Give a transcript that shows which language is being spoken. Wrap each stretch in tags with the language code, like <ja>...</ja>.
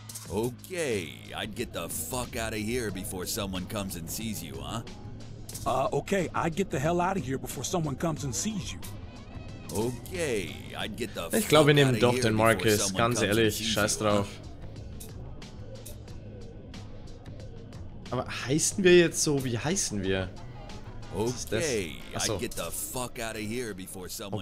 <en>Okay, I'd get the fuck out of here before someone comes and sees you, huh? Okay, I'd get the hell out of here before someone comes and sees you. Okay, I'd get the</en> <de>Ich glaube, wir nehmen doch den Marcus, ganz ehrlich, scheiß drauf. Aber heißen wir jetzt so, wie heißen wir?</de> <en>Okay, I'd get the fuck out of here before someone</en>